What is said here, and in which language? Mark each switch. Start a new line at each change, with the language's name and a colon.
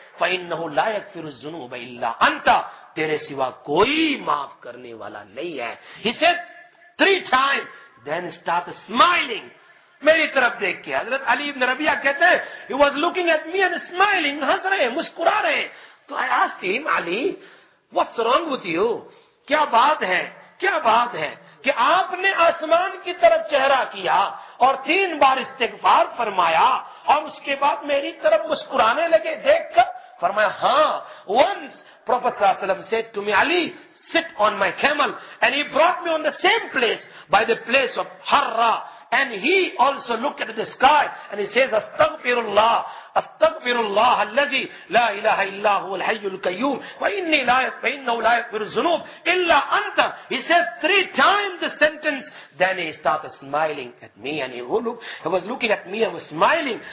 Arabic: فَإِنَّهُ لَا يَغْفِرُ الذُّنُوبَ إِلَّا أَنْتَ
Urdu: تیرے سوا کوئی معاف کرنے والا نہیں ہے.
English: He said, three times, then start smiling.
Urdu: میری طرف دیکھ کے حضرت علی بن ربیعہ کہتے ہیں,
English: he was looking at me and smiling,
Urdu: ہنس رہے ہیں, مسکرا رہے ہیں.
English: تو I asked him, Ali, what's wrong with you?
Urdu: کیا بات ہے؟ کیا بات ہے؟ کہ آپ نے آسمان کی طرف چہرہ کیا اور تین بار استغفار فرمایا اور اس کے بعد میری طرف مسکرانے لگے. دیکھ کر فرمایا ہاں
English: once Prophet صلی اللہ علیہ وسلم said to me Ali sit on my camel and he brought me on the same place by the place of Harra and he also looked at the sky and he says
Arabic: استغفراللہ استغفر اللہ الذی لا الہ الا هو الحی القیوم فإنی لا فإنہ لا یغفر الذنوب الا انت
English: he said three times the sentence then he started smiling at me and he was looking at me and was smiling.